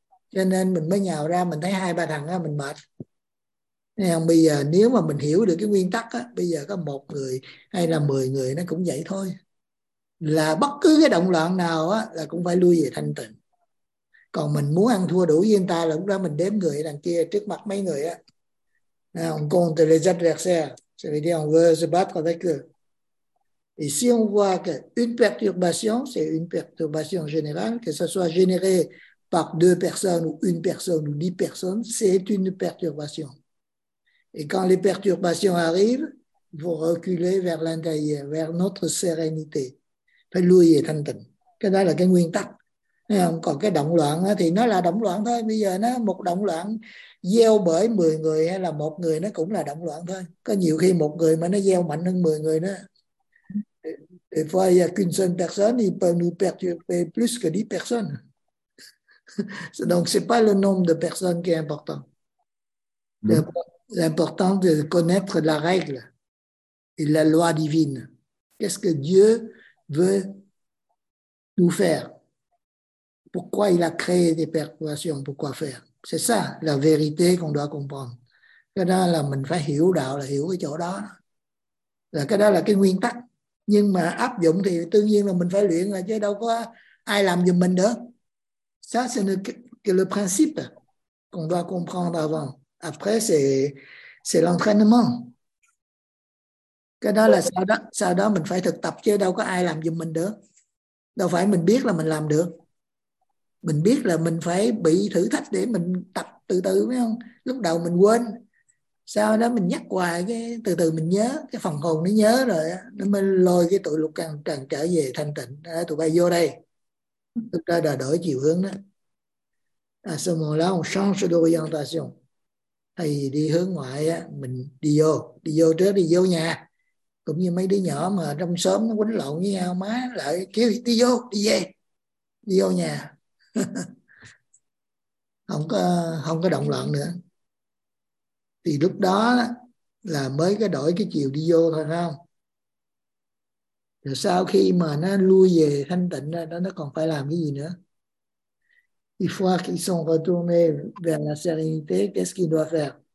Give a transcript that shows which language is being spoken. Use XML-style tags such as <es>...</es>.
<vi>Cho nên mình mới nhào ra, mình thấy hai ba thằng đó, mình mệt. Bây giờ nếu mà mình hiểu được cái nguyên tắc á, bây giờ có một người hay là mười người nó cũng vậy thôi. Là bất cứ cái động loạn nào á, là cũng phải lui về thanh tịnh. Còn mình muốn ăn thua đủ với người ta, là lúc đó mình đếm người đằng kia trước mặt mấy người á.</vi> <fr>On compte les adversaires. Ça veut dire on veut se battre avec eux. Et si on voit qu'une perturbation, c'est une perturbation générale, que ça soit généré par deux personnes ou une personne ou dix personnes, c'est une perturbation. Et quand les perturbations arrivent, il faut reculer vers l'intérieur, vers notre sérénité.</fr> <vi>Phải lui về thanh tịnh. Cái đó là cái nguyên tắc. Còn cái động loạn thì nó là động loạn thôi. Bây giờ nó một động loạn gieo bởi 10 người hay là một người, nó cũng là động loạn thôi. Có nhiều khi một người mà nó gieo mạnh hơn 10 người nữa.</vi> <fr>Des fois, il y a qu'une seule personne, il peut nous perturber plus que 10 personnes. Donc, c'est pas le nombre de personnes qui est important. L'important de connaître la règle et la loi divine. Qu'est-ce que Dieu veut nous faire? Pourquoi il a créé des perturbations? Pourquoi faire? C'est ça la vérité qu'on doit comprendre.</fr> <vi>Cái đó là mình phải hiểu đạo là hiểu cái chỗ đó. Là cái đó là cái nguyên tắc. Nhưng mà áp dụng thì tương nhiên là mình phải luyện là chứ đâu có ai làm giùm mình được.</vi> <fr>Ça c'est le principe qu'on doit comprendre avant. Après c'est l'entraînement.</fr> <vi>Cái đó là sau đó mình phải thực tập chứ đâu có ai làm giùm mình được. Đâu phải mình biết là mình làm được. Mình biết là mình phải bị thử thách để mình tập từ từ, phải không? Lúc đầu mình quên. Sau đó mình nhắc hoài, cái từ từ mình nhớ, cái phần hồn nó nhớ rồi, nó mới lôi cái tụi lục càng càng trở về thanh tịnh. À, tụi bay vô đây. Tức là đổi chiều hướng đó.</vi> <fr>À ce moment-là, on change d'orientation.</fr> <vi>Thì đi hướng ngoại á, mình đi vô trước, đi vô nhà. Cũng như mấy đứa nhỏ mà trong xóm nó quýnh lộn với nhau, má lại kêu đi vô nhà. không có động loạn nữa. Thì lúc đó là mới cái đổi cái chiều đi vô thôi, không? Rồi sau khi mà nó lui về thanh tịnh ra, nó còn phải làm cái gì nữa?</vi> <fr>Une fois qu'ils sont retournés vers la sérénité, qu'est-ce qu'ils doivent faire?</fr>